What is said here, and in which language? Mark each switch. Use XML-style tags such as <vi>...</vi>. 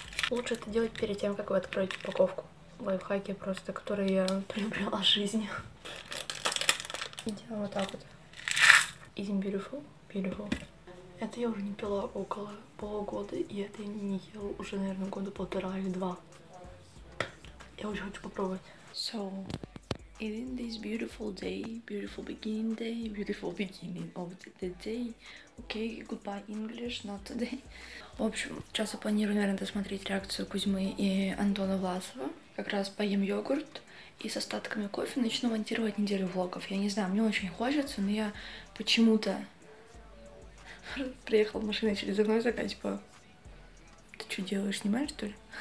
<ru>Лучше это делать перед тем, как вы откроете упаковку. Лайфхаки просто, которые я приобрела в жизни. И делаем вот так вот.</ru> <en>Isn't beautiful? Beautiful.</en> <ru>Это я уже не пила около полугода, и это я не ела уже, наверное, года полтора или два. Я очень хочу попробовать.</ru> <en>So, in this beautiful day, beautiful beginning day, beautiful beginning of the day. Okay, goodbye English, not today.</en> <ru>В общем, сейчас я планирую, наверное, досмотреть реакцию Кузьмы и Антона Власова. Как раз поем йогурт. И с остатками кофе начну монтировать неделю влогов. Я не знаю, мне очень хочется, но я почему-то приехала в машину через окно и такая, типа, ты что делаешь, снимаешь, что ли?</ru>